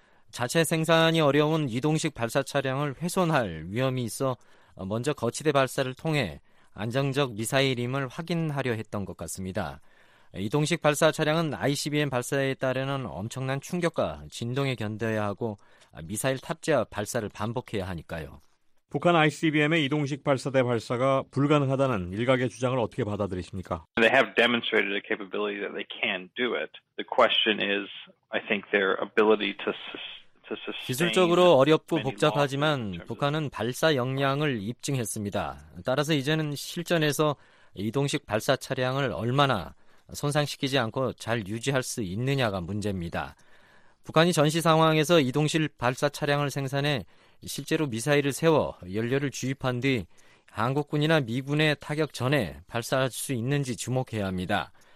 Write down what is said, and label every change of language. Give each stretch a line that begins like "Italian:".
Korean: 자체 생산이 어려운 이동식 발사 차량을 훼손할 위험이 있어 먼저 거치대 발사를 통해 안정적 미사일임을 확인하려 했던 것 같습니다. 이동식 발사 차량은 ICBM 발사에 따르는 엄청난 충격과 진동에 견뎌야 하고 미사일 탑재와 발사를 반복해야 하니까요. 북한 ICBM의 이동식 발사대 발사가 불가능하다는 일각의 주장을 어떻게 받아들이십니까?
English: They have demonstrated the capability that they can do it. The question is, I think their ability to sustain.
Korean: 기술적으로 어렵고 복잡하지만 북한은 발사 역량을 입증했습니다. 따라서 이제는 실전에서 이동식 발사 차량을 얼마나 손상시키지 않고 잘 유지할 수 있느냐가 문제입니다. 북한이 전시 상황에서 이동식 발사 차량을 생산해 실제로 미사일을 세워 연료를 주입한 뒤 한국군이나 미군의 타격 전에 발사할 수 있는지 주목해야 합니다.